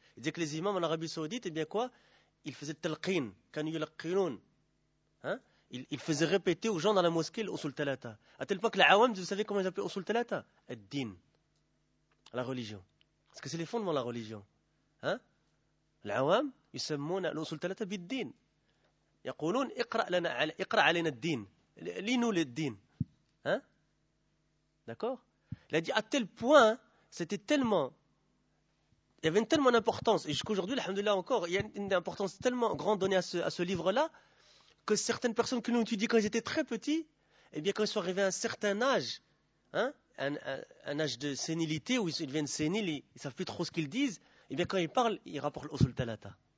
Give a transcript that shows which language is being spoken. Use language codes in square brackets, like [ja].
[fr] Il disait que les imams en Arabie Saoudite, eh bien quoi? Ils faisaient talqin, [ar] kanu yulqinun. [fr] Hein? Ils faisaient répéter aux gens dans la mosquée l'Usul Talata. À tel point que les awam, vous savez comment ils appelaient Usul Talata? Ad-din. La religion. Parce que c'est les fondements de la religion. Hein? Les awam, ils s'amouna l'Usul Talata bid-din. [ar] يقولون اقرأ علينا الدين لينو للدين hein? [fr] D'accord. Il a dit à tel point c'était tellement il y avait une tellement d'importance et jusqu'aujourd'hui alhamdoulillah encore il y a une importance tellement grande donnée à ce livre là que certaines personnes que nous étudions quand ils étaient très petits et eh bien quand ils sont arrivés à un certain âge hein, un âge de sénilité où ils deviennent séniles ils ne savent plus trop ce qu'ils disent et eh bien quand ils parlent ils rapportent l'Usul Talata.